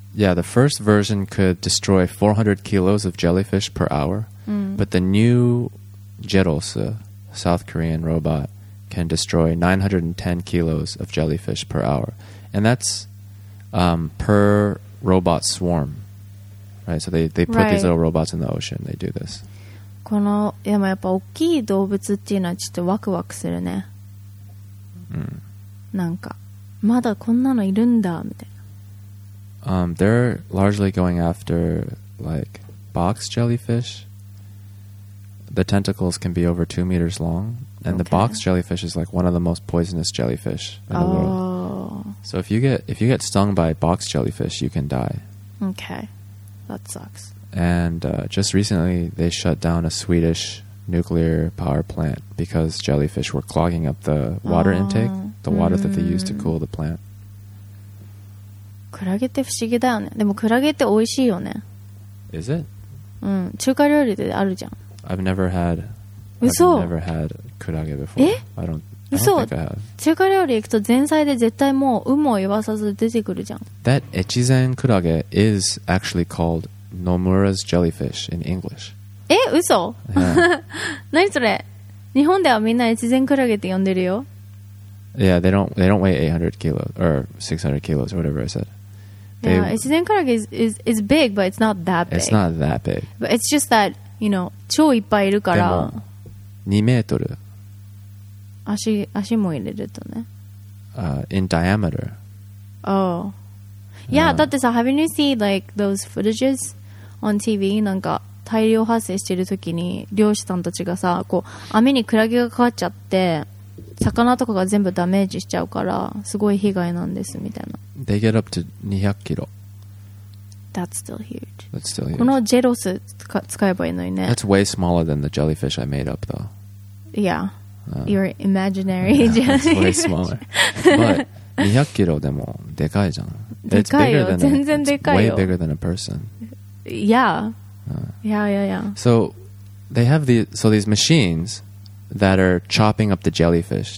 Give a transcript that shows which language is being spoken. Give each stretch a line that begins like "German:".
English: Yeah, the first version could destroy 400 kilos of jellyfish per hour. Mm. But the new Jerolsa, South Korean robot, can destroy 910 kilos of jellyfish per hour. And that's per robot swarm. Right? So they put these little robots in the ocean. They do this.
Japanese: この、やっぱ大きい動物っていうのはちょっとワクワクするね。うん。なんか、まだこんなのいるんだ、みたいな。
English: They're largely going after, like, box jellyfish. The tentacles can be over 2 meters long. And okay. The box jellyfish is, like, one of the most poisonous jellyfish in the world. So if you get stung by box jellyfish, you can die. Okay. That sucks. And just recently, they shut down a Swedish nuclear power plant because jellyfish were clogging up the water intake, the water that they used to cool the plant.
Japanese: クラゲって不思議だよね。でもクラゲって美味しいよね。
English: Is it?
Japanese: うん。中華料理であるじゃん。
English: I've never had クラゲ before.
Japanese: え?
English: I don't think I have.
Japanese: 中華料理行くと前菜で絶対もう有無を言わさず出てくるじゃん。
English: That Echizen クラゲ is actually called Nomura's jellyfish in English.
Japanese: え?嘘? Yeah. 何それ?日本ではみんな Echizen クラゲって呼んでるよ。
English: Yeah, they don't weigh 800 kilos or 600 kilos or whatever I said. Echizen karage is big, but it's not that big. It's not that big. But it's just that, you know,
Japanese: 超いっぱいいるから。でも、2メートル。足も入れるとね。
English: In diameter. Oh. Yeah,
Japanese: だってさ、
English: have you seen like those footages on TV?
Japanese: なんか大量発生してる時に漁師さんたちがさ、こう網にクラゲがかかっちゃって、魚とかが全部ダメージしちゃうからすごい被害なんですみたいな。
English: They get up to 200 kilo. That's still huge. That's still huge.
Japanese: このジェロス使えばいいのにね。
English: That's way smaller than the jellyfish I made up though. Yeah. Your imaginary jellyfish. Yeah, it's way smaller. But 200 kilo
Japanese: でもでかいじゃん。でかいよ。全然でかいよ。
English: It's way bigger than a person. Yeah. Yeah. So they have these machines... that are chopping up the jellyfish.